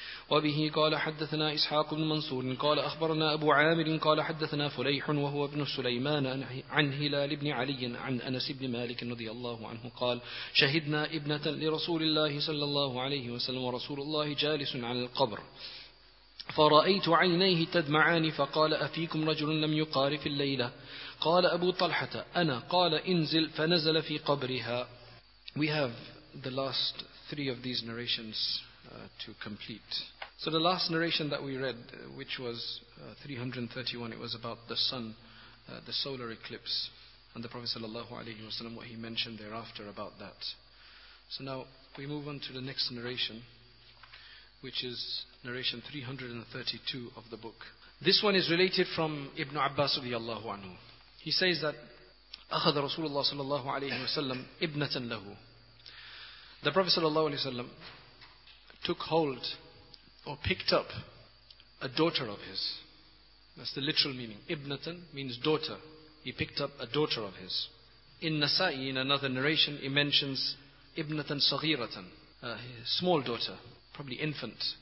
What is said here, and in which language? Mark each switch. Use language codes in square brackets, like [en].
[ar] وبه قال حدثنا إسحاق بن منصور قال أخبرنا أبو عامر قال حدثنا فليح وهو ابن سليمان عن هلال بن علي عن أنس بن مالك رضي الله عنه قال شهدنا ابنة لرسول الله صلى الله عليه وسلم ورسول الله جالس على القبر فرأيت عينيه تدمعان فقال أفيكم رجل لم يقارف الليلة قال أبو طلحة أنا قال انزل فنزل في قبرها. [en] We have the last three of these narrations to complete. So the last narration that we read, which was 331, it was about the sun, the solar eclipse, and the Prophet sallallahu alaihi wasallam, what he mentioned thereafter about that. So now we move on to the next narration, which is narration 332 of the book. This one is related from Ibn Abbas radiyallahu anhu. He says that [ar] أخذ رسول الله صلى الله عليه وسلم ابنة له. [en] The Prophet sallallahu alaihi wasallam took hold or picked up a daughter of his. That's the literal meaning. Ibnatan means daughter. He picked up a daughter of his. In Nasa'i, in another narration, he mentions Ibnatan Saghiratan, a small daughter, probably infant.